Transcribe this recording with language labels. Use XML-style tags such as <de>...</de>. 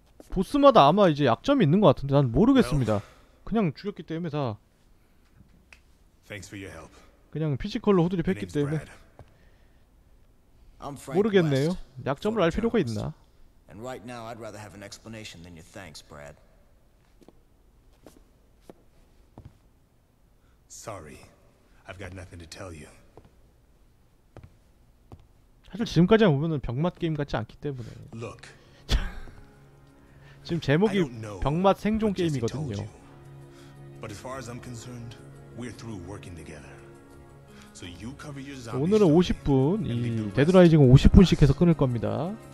<ko>보스마다 아마 이제 약점이 있는 것 같은데 난 모르겠습니다. 그냥 죽였기 때문에 다.</ko> <en>Thanks for your help.</en> <ko>그냥 피지컬로 호들갑 했기 때문에 모르겠네요. 약점을 알 필요가 있나?</ko> <en>And right now I'd rather have an explanation than your thanks, Brad. Sorry. I've got nothing to tell you.</en> <ko>사실 지금까지 보면은 병맛 게임 같지 않기 때문에.</ko> <en>Look.</en> <ko>지금 제목이 병맛 생존 게임이거든요.</ko> <en>But as far as I'm concerned, we're through working together. So you cover your zombies.</en> <ko>오늘은 50분 이 데드라이징은 50분씩 해서 끊을 겁니다.</ko>